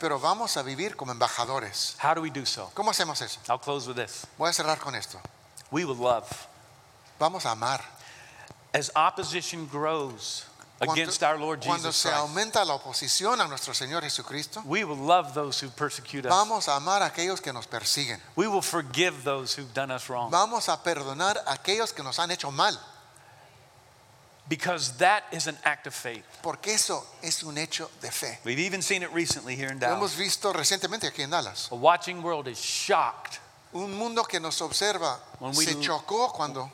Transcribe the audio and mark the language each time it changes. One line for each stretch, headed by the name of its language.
Spanish: Pero vamos a vivir como embajadores.
English: How do we do so?
Spanish: ¿Cómo hacemos eso?
English: I'll close with this.
Spanish: Voy a cerrar con esto.
English: We will love.
Spanish: Vamos a amar.
English: As opposition grows against our Lord Jesus
Spanish: Cuando se aumenta la oposición a nuestro Señor Jesucristo,
English: we will love those who persecute us.
Spanish: Vamos a amar a aquellos que nos persiguen.
English: We will forgive those who've done us wrong.
Spanish: Vamos a perdonar a aquellos que nos han hecho mal.
English: Because that is an act of faith.
Spanish: Porque eso es un hecho de fe.
English: We've even seen it recently here in Dallas.
Spanish: Lo hemos visto recientemente aquí en Dallas.
English: A watching world is shocked.
Spanish: Un mundo que nos observa se chocó cuando